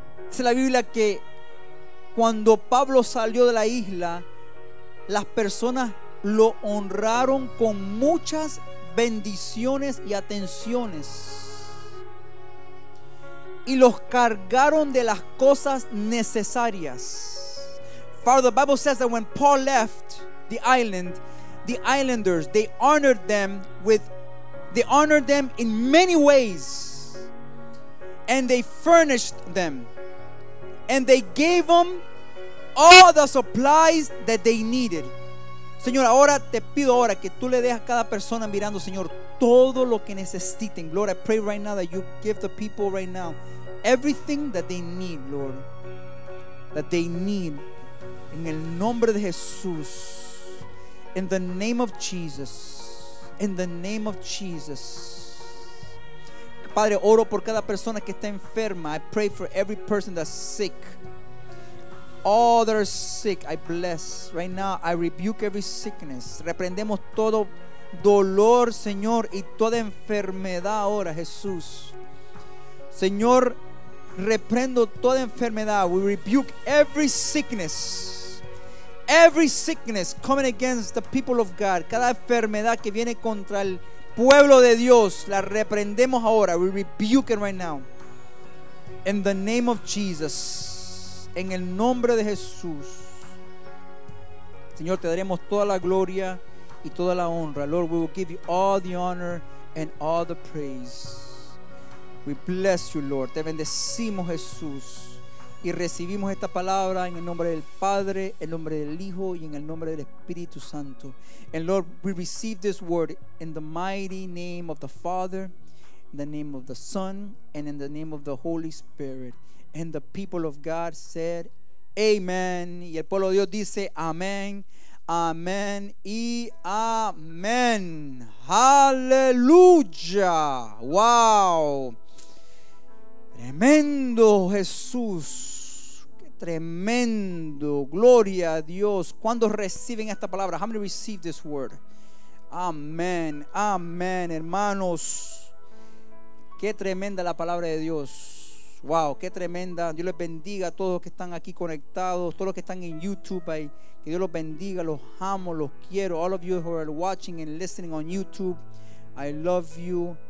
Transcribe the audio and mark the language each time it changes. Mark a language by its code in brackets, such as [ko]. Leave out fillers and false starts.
[es] Dice la Biblia que cuando Pablo salió de la isla, las personas lo honraron con muchas bendiciones y atenciones, y los cargaron de las cosas necesarias. [en] For the Bible says that when Paul left the island, the islanders, they honored them in many ways, and they furnished them, and they gave them all the supplies that they needed. [es] Señor, ahora te pido ahora que tú le des a cada persona mirando, Señor, todo lo que necesiten. [en] Lord, I pray right now that you give the people right now everything that they need, Lord. That they need. [es] En el nombre de Jesús. [en] In the name of Jesus. In the name of Jesus. [es] Padre, oro por cada persona que está enferma. [en] I pray for every person that's sick. All that are sick, I bless. Right now, I rebuke every sickness. [es] Reprendemos todo dolor, Señor, y toda enfermedad ahora, Jesús. Señor, reprendo toda enfermedad. [en] We rebuke every sickness. Every sickness coming against the people of God. [es] Cada enfermedad que viene contra el pueblo de Dios, la reprendemos ahora. [en] We rebuke it right now. In the name of Jesus. [es] En el nombre de Jesús. Señor, te daremos toda la gloria y toda la honra. [en] Lord, we will give you all the honor and all the praise. We bless you, Lord. [es] Te bendecimos, Jesús. Y recibimos esta palabra en el nombre del Padre, en el nombre del Hijo y en el nombre del Espíritu Santo. [en] And Lord, we receive this word in the mighty name of the Father, in the name of the Son, and in the name of the Holy Spirit. And the people of God said, Amen. [es] Y el pueblo de Dios dice, Amén, Amén y Amén. Aleluya. Wow. Tremendo, Jesús. Qué tremendo. Gloria a Dios. ¿Cuándo reciben esta palabra? [en] How many receive this word? [es] Amén, amén, hermanos. Qué tremenda la palabra de Dios. Wow, qué tremenda. Dios les bendiga a todos los que están aquí conectados, todos los que están en YouTube ahí. Que Dios los bendiga, los amo, los quiero. [en] All of you who are watching and listening on YouTube, I love you.